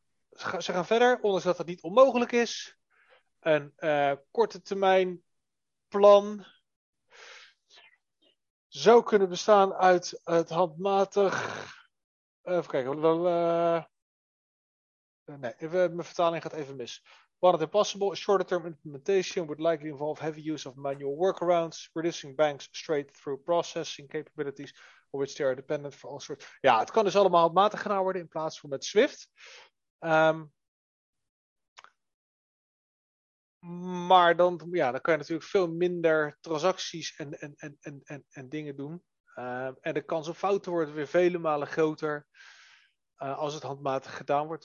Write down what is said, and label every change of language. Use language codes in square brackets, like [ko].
[nl] Ze gaan verder, ondanks dat niet onmogelijk is. Een korte termijn plan zou kunnen bestaan uit het handmatig... Even kijken. Mijn vertaling gaat even mis. [en] One of the possible shorter term implementation would likely involve heavy use of manual workarounds, reducing banks straight through processing capabilities on which they are dependent for all sorts... [nl] Ja, het kan dus allemaal handmatig gedaan worden in plaats van met SWIFT. Maar dan kan je natuurlijk veel minder transacties en dingen doen. En de kans op fouten wordt weer vele malen groter als het handmatig gedaan wordt.